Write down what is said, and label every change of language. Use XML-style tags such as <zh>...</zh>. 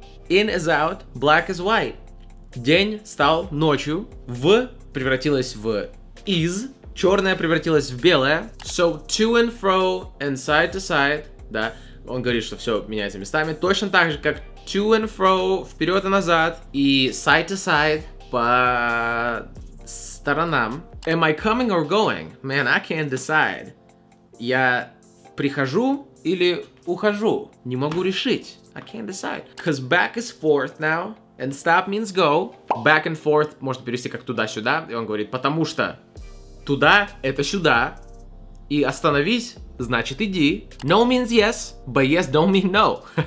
<en>in is out, black is white,</en> <ru>день стал ночью, в превратилось в is, черное превратилось в белое,</ru> <en>so to and fro and side to side,</en> <ru>да, он говорит, что все меняется местами, точно так же, как to and fro, вперед и назад, и side to side, по сторонам.</ru> <en>Am I coming or going? Man, I can't decide.</en> <ru>Я прихожу или ухожу? Не могу решить.</ru> <en>I can't decide. Because back is forth now, and stop means go.</en> <ru>Back and forth можно перевести как туда-сюда, и он говорит, потому что туда — это сюда, и остановись — значит иди.</ru> <en>No means yes, but yes don't mean no.</en>